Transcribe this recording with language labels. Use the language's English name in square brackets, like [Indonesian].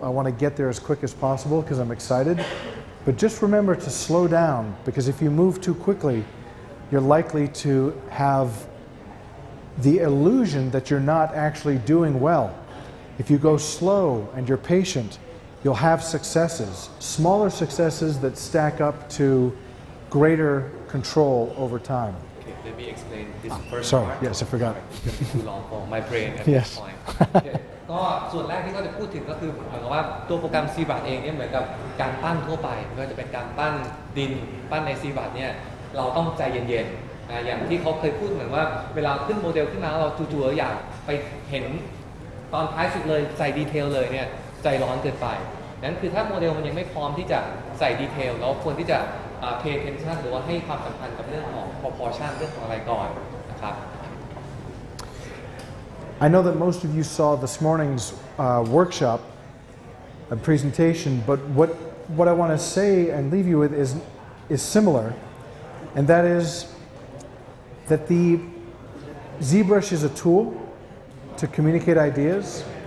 [English] I want to get there as quick as possible because I'm excited. But just remember to slow down, because if you move too quickly, you're likely to have the illusion that you're not actually doing well. If you go slow and you're patient, you'll have successes, smaller successes that stack up to greater control over time. Let me explain this first. Sorry, part. Yes, I forgot. Too long for my brain at yes. this point. [Thai] ก็ส่วนแรกที่เราจะพูดถึงก็คือเหมือนกับว่าตัวโปรแกรมซีบัตเองเนี่ยเหมือนกับการปั้นทั่วไปก็จะเป็นการปั้นดินปั้นในซีบัตเนี่ยเราต้องใจเย็นๆนะอย่างที่เขาเคยพูดเหมือนว่าเวลาขึ้นโมเดลขึ้นมาเราจู่ๆอยากไปเห็นตอนท้ายสุดเลยใส่ดีเทลเลยเนี่ยใจร้อนเกินไปนั้นคือถ้าโมเดลมันยังไม่พร้อมที่จะใส่ดีเทลเราควรที่จะ [English] pay attention [Thai] หรือว่าให้ความสำคัญกับเรื่องของ proportion เรื่องของอะไรก่อนนะครับ [English] I know that most of you saw this morning's workshop a presentation, but what I want to say and leave you with is similar, and that is that the ZBrush is a tool to communicate ideas.